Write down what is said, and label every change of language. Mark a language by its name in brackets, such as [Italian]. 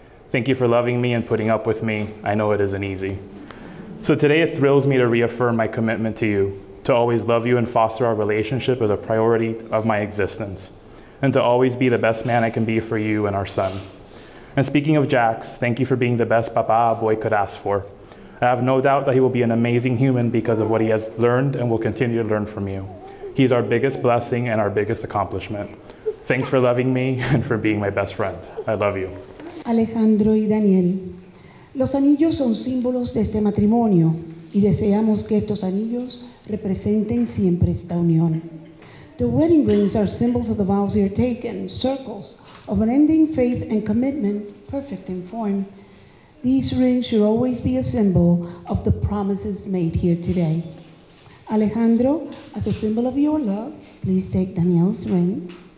[English] Thank you for loving me and putting up with me. I know it isn't easy. So today it thrills me to reaffirm my commitment to you, to always love you and foster our relationship as a priority of my existence, and to always be the best man I can be for you and our son. And speaking of Jax, thank you for being the best papa a boy could ask for. I have no doubt that he will be an amazing human because of what he has learned and will continue to learn from you. He's our biggest blessing and our biggest accomplishment. Thanks for loving me and for being my best friend. I love you. [Spanish] Alejandro y Daniel, los anillos son símbolos de este matrimonio y deseamos que estos anillos representen siempre esta unión. [English] The wedding rings are symbols of the vows you're taken, circles of unending faith and commitment, perfect in form. These rings should always be a symbol of the promises made here today. Alejandro, as a symbol of your love, please take Daniel's ring.